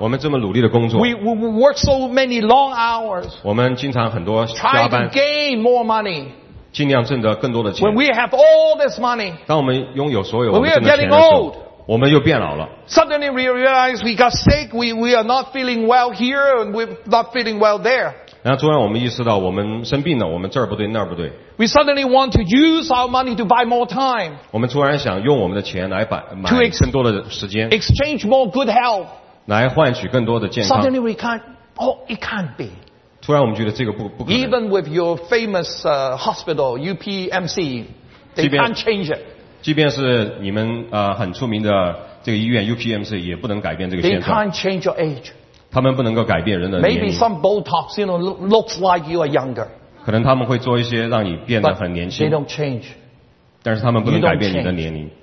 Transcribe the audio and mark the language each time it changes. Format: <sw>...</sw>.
<en>We work so many long hours. We try to gain more money. When we have all this money, when we are getting old, suddenly we realize we got sick, we are not feeling well here, and we're not feeling well there.</en> <zh>然后突然我们意识到我们生病了，我们这儿不对，那儿不对。</zh> <en>We suddenly want to use our money to buy more time.</en> <zh>我们突然想用我们的钱来买更多的时间。</zh> <en>Exchange more good health.</en> <zh>来换取更多的健康。</zh> <en>Suddenly we can't, oh, it can't be.</en> <zh>突然我们觉得这个不可能。</zh> <en>Even with your famous hospital, UPMC, they can't change it.</en> <zh>即便是你们 很出名的这个医院 UPMC 也不能改变这个现状。</zh> <en>They can't change your age.</en> <zh>他们不能够改变人的年龄。</zh> <en>Maybe some Botox, you know, looks like you are younger.</en> <zh>可能他们会做一些让你变得很年轻。</zh> <en>They don't change.</en> <zh>但是他们不能改变你的年龄。</zh>